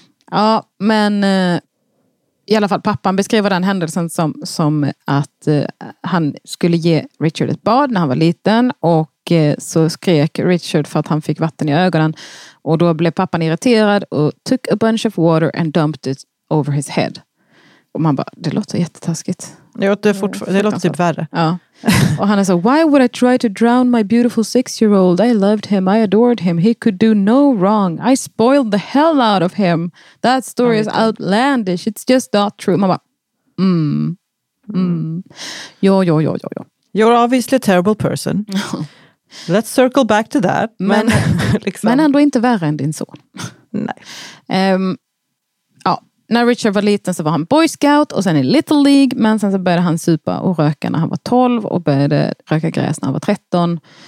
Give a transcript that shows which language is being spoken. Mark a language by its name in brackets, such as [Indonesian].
[Swedish] Ja, men i alla fall, pappan beskriver den händelsen som att han skulle ge Richard ett bad när han var liten. Och så skrek Richard för att han fick vatten i ögonen. Och då blev pappan irriterad och [English] took a bunch of water and dumped it over his head. [Swedish] Och man bara, det låter jättetaskigt. Det låter typ värre. Ja. Och han sa, [English] why would I try to drown my beautiful 6-year-old? I loved him, I adored him, he could do no wrong. I spoiled the hell out of him. That story is outlandish, it's just not true. [Swedish] Man bara, Jo. [English] You're obviously a terrible person. Let's circle back to that. [Swedish] Men, liksom. Men ändå inte värre än din son. Nej. När Richard var liten så var han Boy Scout och sen i Little League, men sen så började han supa och röka när han var 12 och började röka gräs när han var 13.